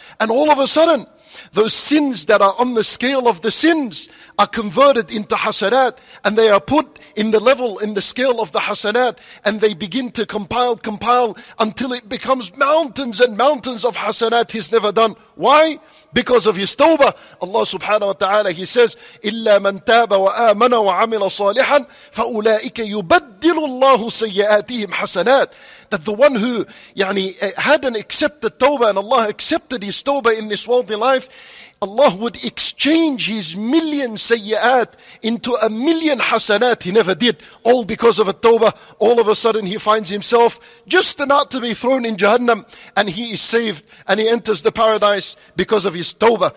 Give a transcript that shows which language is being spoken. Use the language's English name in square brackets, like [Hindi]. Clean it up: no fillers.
[English] And all of a sudden, those sins that are on the scale of the sins are converted into hasanat, and they are put in the level, in the scale of the hasanat, and they begin to compile until it becomes mountains and mountains of hasanat he's never done. Why? Because of his tawbah. Allah subhanahu wa ta'ala, he says, [Arabic] إِلَّا مَنْ تَابَ وَآمَنَ وَعَمِلَ صَالِحًا فَأُولَٰئِكَ يُبَدِّلُ اللَّهُ سَيِّئَاتِهِمْ حَسَنَاتٍ. [English] That the one who had an accepted tawbah, and Allah accepted his tawbah in this worldly life, Allah would exchange his million sayyat into a million hasanat he never did, all because of a tawbah. All of a sudden he finds himself just about to be thrown in Jahannam, and he is saved and he enters the paradise because of his tawbah.